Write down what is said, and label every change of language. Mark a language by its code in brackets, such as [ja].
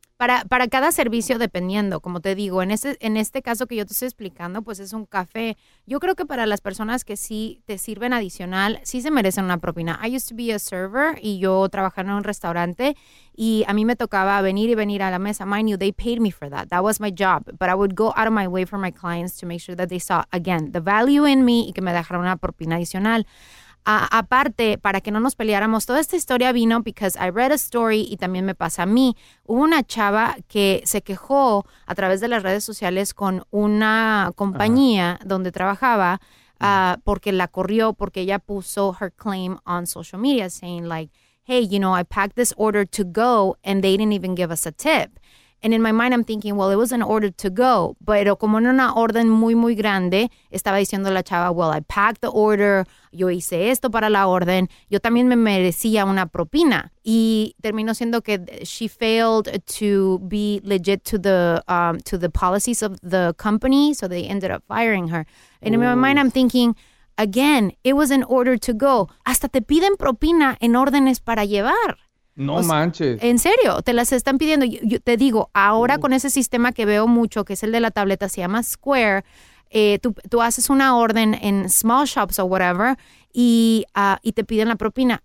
[es] Para cada servicio, dependiendo, como te digo, en este caso que yo te estoy explicando, pues es un café. Yo creo que para las personas que sí te sirven adicional, sí se merecen una propina. [en] I used to be a server [es] y yo trabajaba en un restaurante y a mí me tocaba venir y venir a la mesa. [en] Mind you, they paid me for that. That was my job. But I would go out of my way for my clients to make sure that they saw, again, the value in me [es] y que me dejaron una propina adicional. Aparte, para que no nos peleáramos, toda esta historia vino [en] because I read a story [es] y también me pasa a mí. Hubo una chava que se quejó a través de las redes sociales con una compañía donde trabajaba porque la corrió, porque ella puso [en] her claim on social media saying like, hey, you know, I packed this order to go and they didn't even give us a tip. And in my mind, I'm thinking, well, it was an order to go. [es] Pero como en una orden muy, muy grande, estaba diciendo la chava, [en] well, I packed the order. [es] Yo hice esto para la orden. Yo también me merecía una propina. Y terminó siendo que [en] she failed to be legit to the policies of the company. So they ended up firing her. And in my mind, I'm thinking, again, it was an order to go. [es] Hasta te piden propina en órdenes para llevar. No, o sea, manches. En serio, te las están pidiendo. Yo te digo, ahora con ese sistema que veo mucho, que es el de la tableta, se llama Square, tú haces una orden en [en] small shops [es] o [en] whatever [es] y te piden la propina.